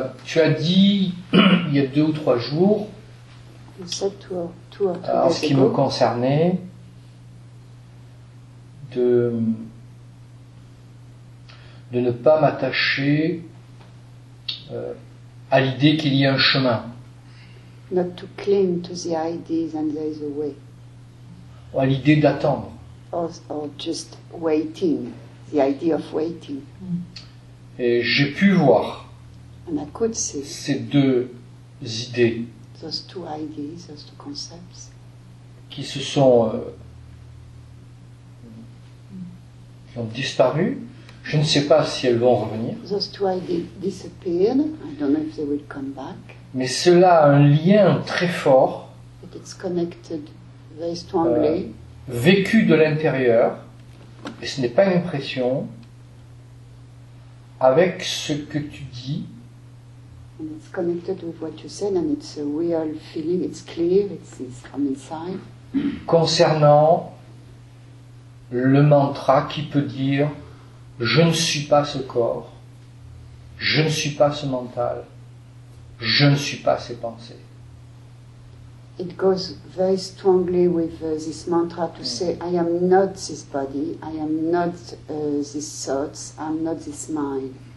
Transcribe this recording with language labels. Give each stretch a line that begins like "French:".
French: Tu as dit il y a deux ou trois jours.
English: You said two or three.
French: En ce qui me concernait, de ne pas m'attacher à l'idée qu'il y a un chemin.
English: Not to cling to the idea that there is a way.
French: Ou à l'idée d'attendre.
English: Or just waiting, the idea of waiting.
French: Et j'ai pu voir.
English: And I could see.
French: Ces deux idées.
English: Those two ideas, those two concepts.
French: Qui se sont qui ont disparu. Je ne sais pas si elles vont revenir.
English: Those two ideas disappeared. I don't know if they will come back.
French: Mais cela a un lien très fort.
English: But it's connected very strongly.
French: Vécu de l'intérieur, et ce n'est pas une impression, avec ce que tu dis.
English: And it's connected with what you said, and it's a real feeling. It's clear. It's from inside.
French: Concernant le mantra qui peut dire. Je ne suis pas ce corps, je ne suis pas ce mental, je ne suis pas ces pensées.
English: It goes very strongly with this mantra to say, I am not this body, I am not these thoughts, I am not this mind.